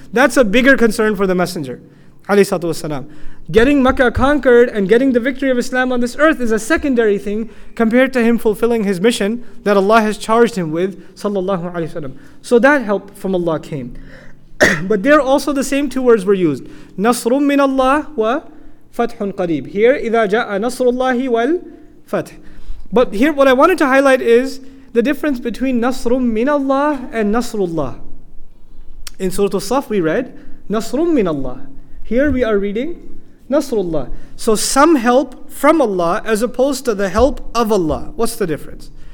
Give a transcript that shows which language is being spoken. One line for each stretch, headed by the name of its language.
English: That's a bigger concern for the Messenger, alayhi salatu wasalam. Getting Mecca conquered and getting the victory of Islam on this earth is a secondary thing compared to him fulfilling his mission that Allah has charged him with, sallallahu alaihi wasallam. So that help from Allah came. But there also the same two words were used.
Arabic: نَصْرٌ مِّنَ اللَّهِ وَفَتْحٌ قَرِيبٌ.
English: Here,
Arabic: إِذَا جَاءَ نَصْرُ اللَّهِ وَالْفَتْحِ.
English: But here what I wanted to highlight is the difference between
Arabic: نَصْرٌ مِّنَ اللَّهِ
English: and
Arabic: نَصْرُ اللَّهِ.
English: In Surah Al-Saff we read,
Arabic: نَصْرٌ مِّنَ اللَّهِ.
English: Here we are reading,
Arabic: نَصْرُ اللَّهِ.
English: So some help from Allah as opposed to the help of Allah. What's the difference?